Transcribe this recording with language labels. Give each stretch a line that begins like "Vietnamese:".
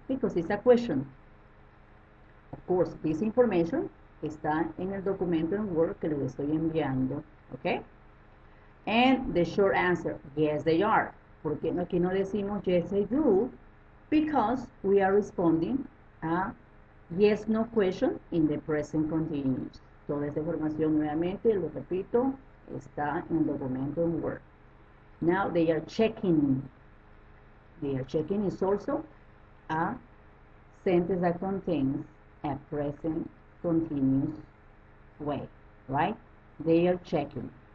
English: Because it's a question. Of course, this information
Spanish: está en el documento en Word que les estoy enviando.
English: Okay? And the short answer, yes they are.
Spanish: ¿Por qué aquí no decimos
English: yes they do? Because we are responding a yes no question in the present continuous.
Spanish: Toda esta información nuevamente, lo repito, está en el documento en Word.
English: Now they are checking. They are checking is also a sentence that contains a present continuous way, right? They are checking.